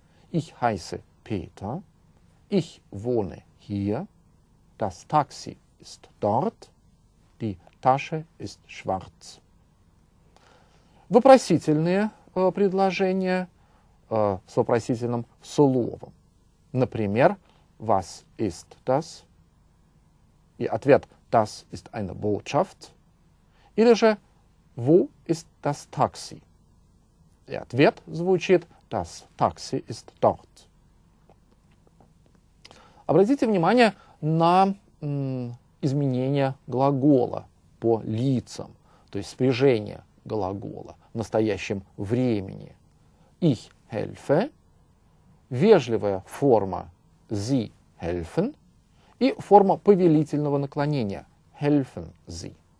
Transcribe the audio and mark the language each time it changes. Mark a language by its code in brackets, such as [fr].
[de] Ich heiße Peter, ich wohne hier, das Taxi ist dort, die Tasche ist schwarz. [ru] Вопросительные предложения с вопросительным словом. Например, [de] was ist das? [ru] И ответ [de] das ist eine Botschaft. [ru] Или же [de] wo ist das Taxi? [ru] И ответ звучит [de] das Taxi ist dort. [ru] Обратите внимание на изменение глагола по лицам, то есть спряжение глагола в настоящем времени. [de] Ich helfe, [ru] вежливая форма [de] Sie helfen [ru] и форма повелительного наклонения [de] helfen Sie.